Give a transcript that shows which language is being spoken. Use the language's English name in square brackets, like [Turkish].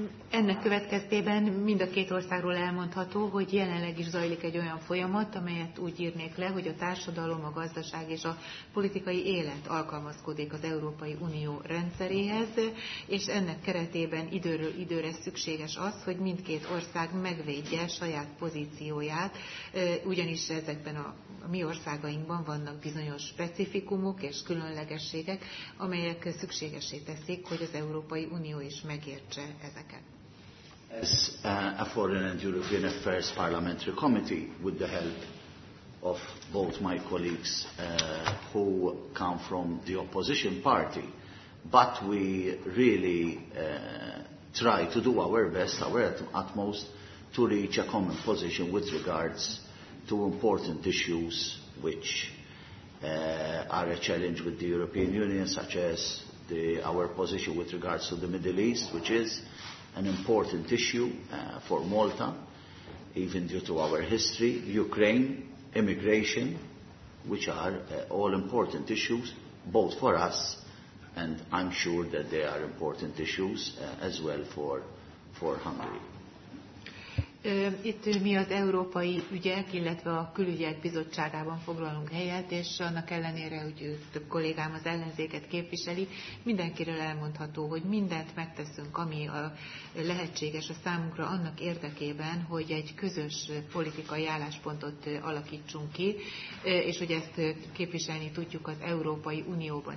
[Hungarian] Ennek következtében mind a két országról elmondható, hogy jelenleg is zajlik egy olyan folyamat, amelyet úgy írnék le, hogy a társadalom, a gazdaság és a politikai élet alkalmazkodik az Európai Unió rendszeréhez, és ennek keretében időről időre szükséges az, hogy mindkét ország megvédje saját pozícióját, ugyanis ezekben a mi országainkban vannak bizonyos specifikumok és különlegességek, amelyek szükségessé teszik, hogy az Európai Unió is megértse ezeket. [English] As a Foreign and European Affairs Parliamentary Committee, with the help of both my colleagues who come from the opposition party, but we really try to do our best, our utmost, to reach a common position with regards to important issues which are a challenge with the European Union, such as our position with regards to the Middle East, which is an important issue for Malta, even due to our history, Ukraine, immigration, which are all important issues, both for us, and I'm sure that they are important issues as well for Hungary. [Hungarian] Itt mi az európai ügyek, illetve a külügyek bizottságában foglalunk helyet, és annak ellenére, hogy több kollégám az ellenzéket képviseli, mindenkiről elmondható, hogy mindent megteszünk, ami a lehetséges a számunkra annak érdekében, hogy egy közös politikai álláspontot alakítsunk ki, és hogy ezt képviselni tudjuk az Európai Unióban.